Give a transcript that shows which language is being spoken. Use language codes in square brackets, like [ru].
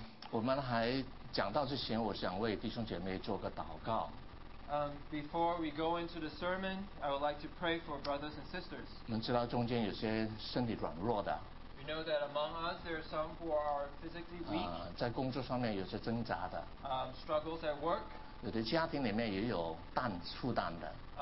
[zh] 我们还讲到之前，我想为弟兄姐妹做个祷告。 [en] Before we go into the sermon, I would like to pray for brothers and sisters. [zh] 我们知道中间有些身体软弱的。 [en] We know that among us, there are some who are physically weak. [zh] 在工作上面有些挣扎的。 [en] Struggles at work. [zh] 有的家庭里面也有担负担的。